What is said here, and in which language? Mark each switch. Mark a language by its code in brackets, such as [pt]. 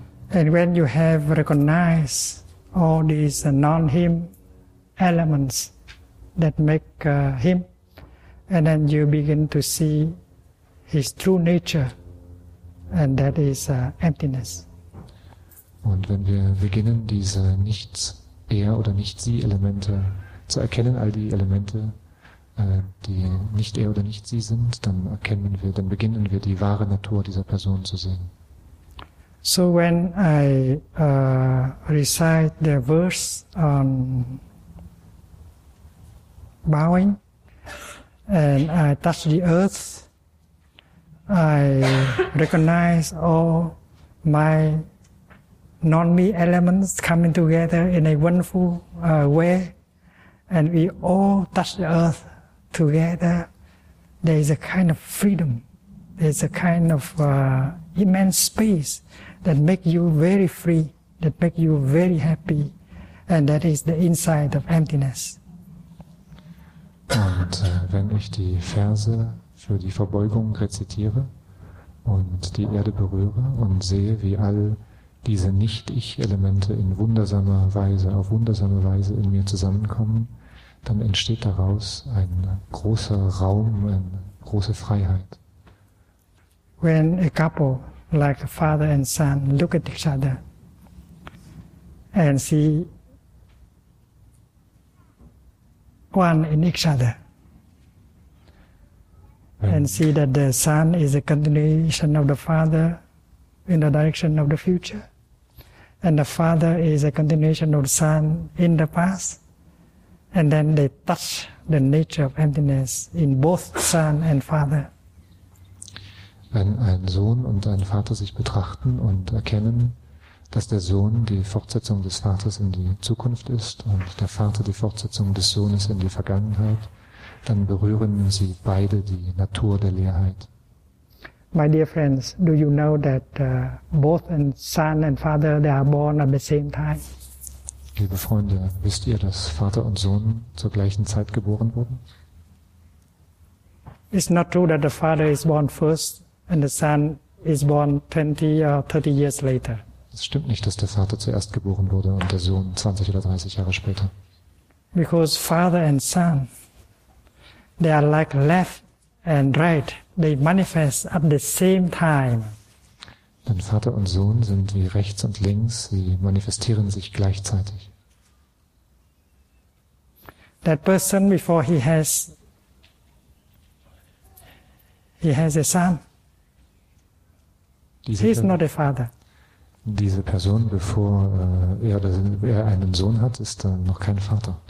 [en] And when you have recognized all these non-him elements that make him, and then you begin to see his true nature, and that is emptiness. [de] Und wenn wir beginnen, diese Nicht-Er- oder Nicht-Sie-Elemente zu erkennen, all die Elemente, die nicht er oder nicht sie sind, dann beginnen wir die wahre Natur dieser Person zu sehen. [en] So when I recite the verse on bowing and I touch the earth, I recognize all my non-me elements coming together in a wonderful way, and we all touch the earth together, there is a kind of freedom, there is a kind of immense space that makes you very free, that makes you very happy, and that is the insight of emptiness. [de] Und wenn ich die Verse für die Verbeugung rezitiere und die Erde berühre und sehe, wie all diese Nicht-Ich-Elemente auf wundersame Weise in mir zusammenkommen, dann entsteht daraus ein großer Raum, eine große Freiheit. [en] When a couple like a father and son look at each other and see one in each other and see that the son is a continuation of the father in the direction of the future And the father is a continuation of the son in the past. And then they touch the nature of emptiness in both son and father. [de] Wenn ein Sohn und ein Vater sich betrachten und erkennen, dass der Sohn die Fortsetzung des Vaters in die Zukunft ist und der Vater die Fortsetzung des Sohnes in die Vergangenheit, dann berühren sie beide die Natur der Leerheit. [en] My dear friends, do you know that both son and father, they are born at the same time? [de] Liebe Freunde, wisst ihr, dass Vater und Sohn zur gleichen Zeit geboren wurden? [en] It's not true that the father is born first and the son is born 20 or 30 years later. [de] Es stimmt nicht, dass der Vater zuerst geboren wurde und der Sohn 20 oder 30 Jahre später. [en] Because father and son, they are like left and right. They manifest at the same time. [de] Denn Vater und Sohn sind wie rechts und links, sie manifestieren sich gleichzeitig. [en] That person before he has a son. He's not a father. [de] Diese Person, bevor er einen Sohn hat, ist dann noch kein Vater.